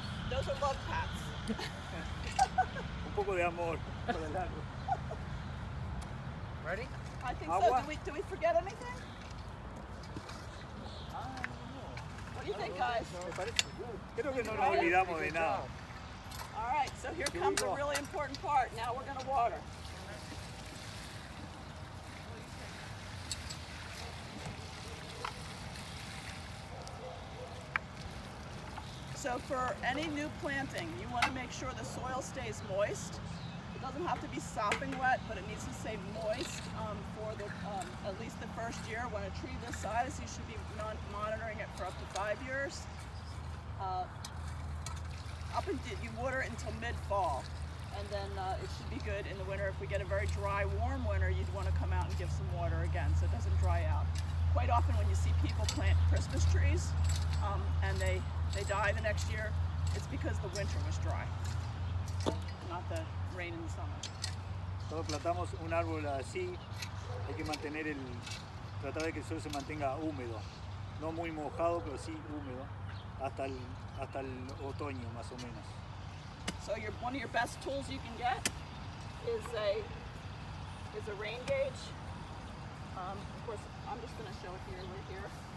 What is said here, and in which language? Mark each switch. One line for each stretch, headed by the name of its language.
English: Those are love pats.
Spanish: Un poco de amor por el árbol.
English: Ready? I think agua. So. Do we forget anything? I don't know. What do you think, guys?
Spanish: Me parece
English: good.
Spanish: Creo que no nos olvidamos de nada.
English: All right, so here comes a really important part. Now we're going to water. So for any new planting, you want to make sure the soil stays moist. It doesn't have to be sopping wet, but it needs to stay moist for the at least the first year. When a tree this size, you should be monitoring it for up to 5 years. You water it until mid-fall, and then it should be good in the winter. If we get a very dry, warm winter, you'd want to come out and give some water again so it doesn't dry out. Quite often when you see people plant Christmas trees and they die the next year, it's because the winter was dry, not the rain in the summer.
Spanish: Todos plantamos un árbol así, hay que mantener tratar de que el suelo se mantenga húmedo, no muy mojado, pero sí húmedo, hasta el otoño más o menos.
English: So one of your best tools you can get is a rain gauge. Of course, I'm just going to show it here and right here.